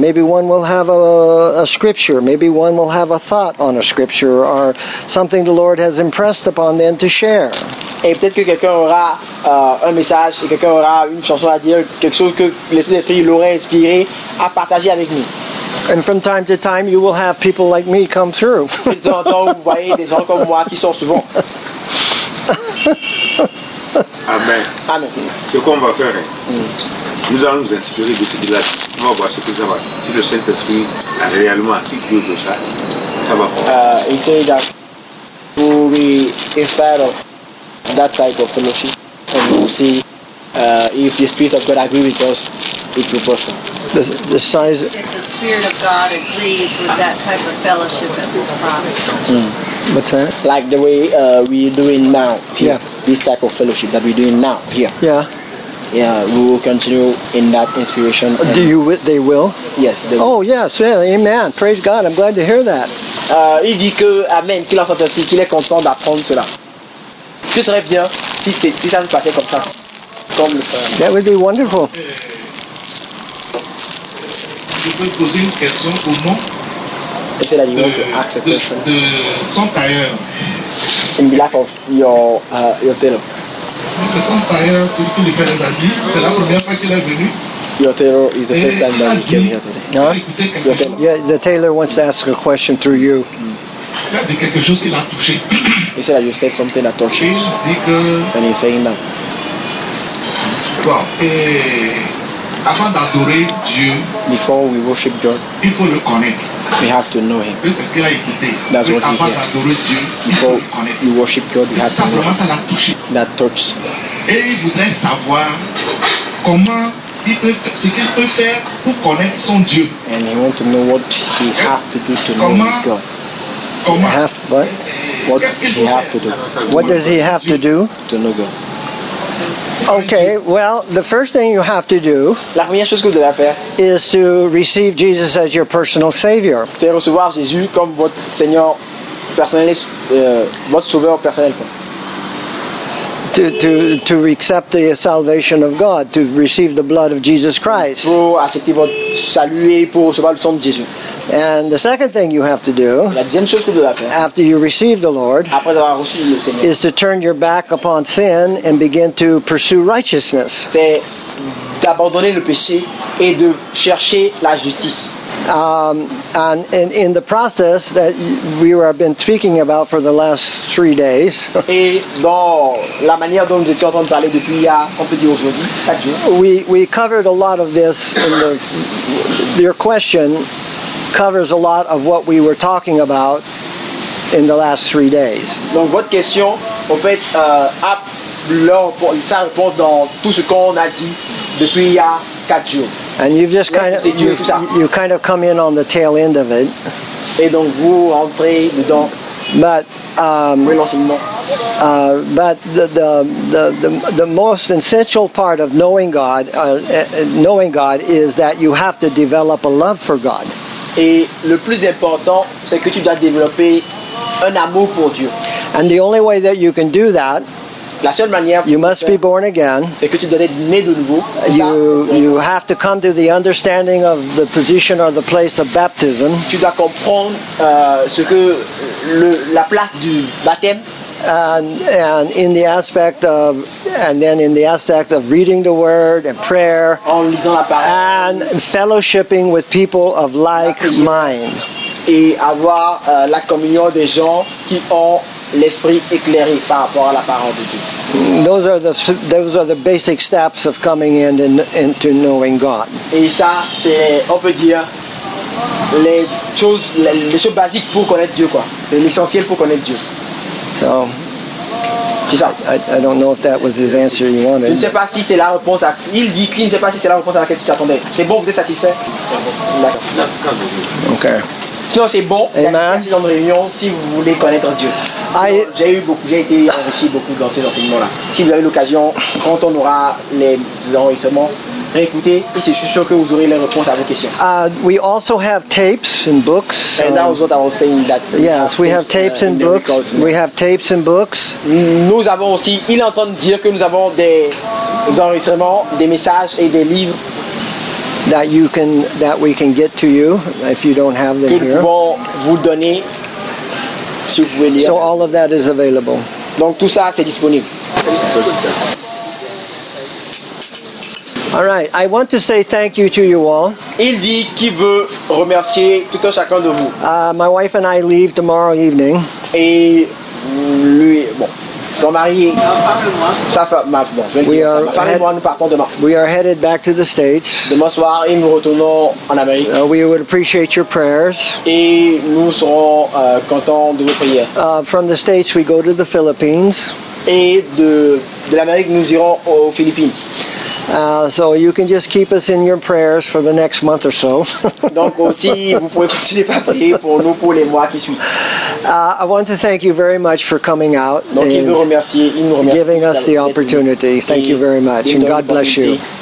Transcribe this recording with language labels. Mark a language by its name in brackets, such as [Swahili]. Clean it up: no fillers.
[English] Maybe one will have a scripture. Maybe one will have a thought on a scripture or something the Lord has impressed upon them to share. [French] Et peut-être que quelqu'un aura un message et quelqu'un aura une chanson à dire, quelque chose que le Saint-Esprit l'aurait inspiré à partager avec nous. [English] And from time to time, you will have people like me come through. Amen. Amen. [French] Ce qu'on va faire, nous allons nous inspirer de ce qu'il a dit. On va voir ce que ça va. Si le Saint-Esprit a réellement si Dieu veut ça, ça va prendre. [English] He said that we will be inspired of that type of fellowship. And we'll see if the Spirit of God agrees with us. The size. If the Spirit of God agrees with that type of fellowship that we promised. What's that? Like the way we're doing now. Here. Yeah. This type of fellowship that we're doing now. Here. Yeah. Yeah. We will continue in that inspiration. Do you? They will. Yes. They will. Oh yes. Yeah. Amen. Praise God. I'm glad to hear that. [French] Il dit que amen. Qu'il entend ainsi, qu'il est content d'apprendre cela. Ce serait bien si ça se passait comme ça. Comme le Seigneur. [English] That would be wonderful. [French] Je peux poser une question au nom de son tailleur. [English] In behalf of your tailor. [French] Donc son tailleur, c'est qui lui fait les habits. C'est la première fois qu'il est venu. [English] Your tailor is the first time that he came here today. [French] Non? [English] Yeah, the tailor wants to ask a question through you. [French] Il a dit quelque chose qui l'a touché. [English] He said that you said something that touched him. And he's saying that. [French] Bon, et avant d'adorer Dieu, [English] before we worship God, [French] il faut le connaître. [English] We have to know Him. That's what he said. Before you worship God, you have to know Him. That touch. [French] Et il voudrait savoir comment il peut, ce qu'il peut faire pour connaître son Dieu. [English] And he wants to know what he has to do to know his God. [French] Comment? [English] What he has to do? What does he have to do to know God? Okay, well, the first thing you have to do [French] la première chose que vous devez faire [English] is to receive Jesus as your personal Savior. [French] C'est recevoir Jésus comme votre Seigneur personnel, votre Sauveur personnel. [English] To accept the salvation of God, to receive the blood of Jesus Christ. [French] Pour accepter votre salut et pour recevoir le sang de Jésus. [English] And the second thing you have to do, [French] la deuxième chose que vous devez faire, [English] after you receive the Lord, [French] après avoir reçu le Seigneur, [English] is to turn your back upon sin and begin to pursue righteousness. [French] C'est d'abandonner le péché et de chercher la justice. [English] And in the process that we have been speaking about for the last 3 days, [French] et dans la manière dont nous étions en train de parler depuis hier, on peut dire aujourd'hui, [English] we covered a lot of this in your question. Covers a lot of what we were talking about in the last 3 days. [French] Donc votre question, en fait, a leur sa réponse dans tout ce qu'on a dit depuis il y a 4 jours. [English] And you've just kind of you kind of come in on the tail end of it. [French] Et donc vous rentrez dedans. [English] But but the most essential part of knowing God is that you have to develop a love for God. [French] Et le plus important, c'est que tu dois développer un amour pour Dieu. [English] And the only way that you can do that, [French] La seule manière [English] you must be born again. [French] C'est que tu dois être né de nouveau. [English] You have to come to the understanding of the position or the place of baptism. [French] Tu dois comprendre ce que la place du baptême. [English] And in the aspect of, and then in the aspect of reading the word and prayer, [French] en lisant la parole, [English] and fellowshipping with people of like mind, [French] et avoir la communion des gens qui ont l'esprit éclairé par rapport à la parole de Dieu. [English] Those are the basic steps of coming into knowing God. [French] Et ça, c'est on peut dire les choses basiques pour connaître Dieu quoi. C'est l'essentiel pour connaître Dieu. [English] So, I don't know if that was his answer you wanted. [French] Je ne sais pas si c'est la réponse à. Il dit qu'il ne sait pas si c'est la réponse à laquelle tu t'attendais. C'est bon, vous êtes satisfait? [English] Okay. [French] Sinon c'est bon. Merci dans nos réunions si vous voulez connaître Dieu. J'ai été enrichi beaucoup dans ces enseignements-là. Si vous avez l'occasion, quand on aura les enregistrements, réécoutez. Et je suis sûr que vous aurez les réponses à vos questions. [English] We also have tapes and books. And now we have tapes and books. Yes, we have tapes and books. We have tapes and books. [French] Nous avons aussi. Ils entendent dire que nous avons des enregistrements, des messages et des livres. [English] That we can get to you if you don't have them here. [French] Bon, vous donner, si vous pouvez lire. [English] So all of that is available. [French] Donc tout ça c'est disponible. [English] All right. I want to say thank you to you all. [French] Il dit qu'il veut remercier tout un chacun de vous. [English] My wife and I leave tomorrow evening. [French] Et lui, bon. Ton mari, sa femme, [English] we are headed back to the States. [French] Demain soir, et nous retournons en Amérique. [English] We would appreciate your prayers. [French] Et nous serons contents de vous prier. [English] From the States, we go to the Philippines. [French] Et de l'Amérique, nous irons aux Philippines. [English] So you can just keep us in your prayers for the next month or so. [French] Donc aussi, vous pouvez continuer à prier pour nous pour les mois qui suivent. [English] I want to thank you very much for coming out and giving us the opportunity. Thank you very much, and God bless you.